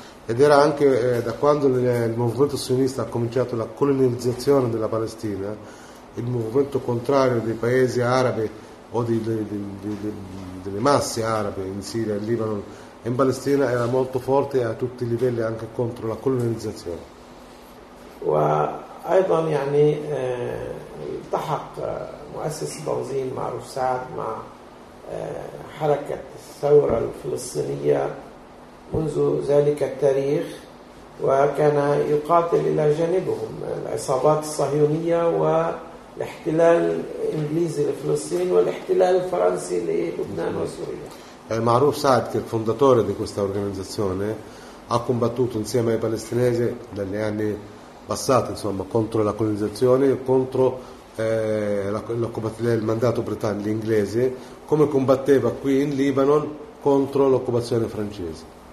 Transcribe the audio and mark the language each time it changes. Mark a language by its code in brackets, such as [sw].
[it] Ed era anche da quando il movimento sionista ha cominciato la colonizzazione della Palestina, il movimento contrario dei paesi arabi o delle masse arabe in Siria, in Libano e in Palestina era molto forte a tutti i livelli anche contro la colonizzazione. [ar] وأيضا يعني التحق مؤسس التنظيم معروف سعد مع حركة الثورة الفلسطينية منذ ذلك التاريخ وكان يقاتل إلى جانبهم العصابات الصهيونية والاحتلال الإنجليزي لفلسطين والاحتلال الفرنسي للبنان وسوريا. [it] Maruf Saad, che è il fondatore di questa organizzazione, ha combattuto insieme ai palestinesi dagli anni passati, insomma, contro la colonizzazione, contro il mandato britannico inglese, come combatteva qui in Libano contro l'occupazione francese.